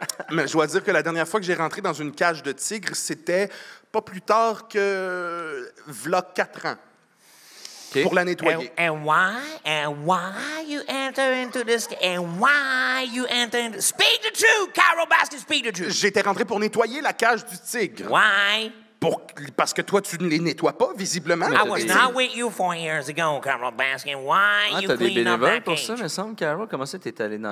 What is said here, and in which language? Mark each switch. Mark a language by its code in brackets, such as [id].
[fr] mais je dois dire que la dernière fois que j'ai rentré dans une cage de tigre, c'était pas plus tard que... v'là 4 ans. Okay. Pour la nettoyer. [en] And why you enter into this... And why you enter into... Speak the truth, Carol Baskin, speak the truth. [fr] J'étais rentré pour nettoyer la cage du tigre. [en] Why? [fr] Parce que toi, tu ne les nettoies pas, visiblement. [en] I was not with you 4 years ago, Carol Baskin. Why you clean up that cage? [fr] Ah, t'as des bénévoles pour ça, me semble, Carol. Comment ça, t'es allé dans